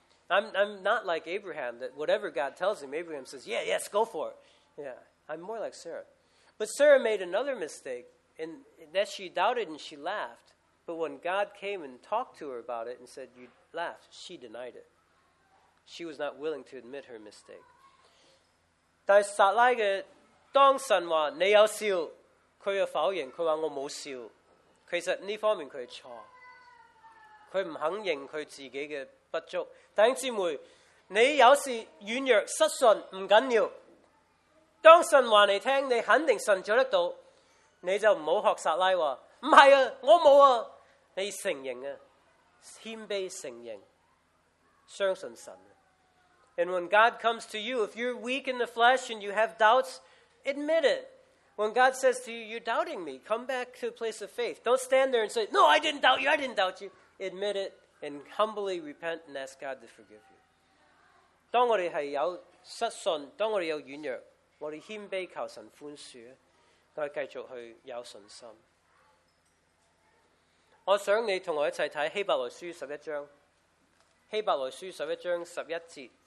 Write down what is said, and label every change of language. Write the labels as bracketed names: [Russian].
[English] I'm not like Abraham, that whatever God tells him, Abraham says, yeah, yes, go for it. Yeah, I'm more like Sarah. But Sarah made another mistake in that she doubted and she laughed. But when God came and talked to her about it and said, you laughed, she denied it. She was not willing to admit her mistake. [Chinese] 但撒拉的当神话你有笑，他又否认，他说我没笑。其实这方面他是错，他不肯认他自己的不足。弟兄姊妹，你有时软弱失信不紧要，当神话你听，你肯定神做得到，你就不要学撒拉说不是啊，我没有啊，你承认啊，谦卑承认，相信神。 [English] And when God comes to you, if you're weak in the flesh and you have doubts, admit it. When God says to you, you're doubting me, come back to a place of faith. Don't stand there and say, no, I didn't doubt you, I didn't doubt you. Admit it and humbly repent and ask God to forgive you. [Chinese] 当我们是有失信，当我们有软弱，我们谦卑求神宽恕，我们继续去有信心。我想你和我一起看希伯来书十一章，希伯来书十一章十一节。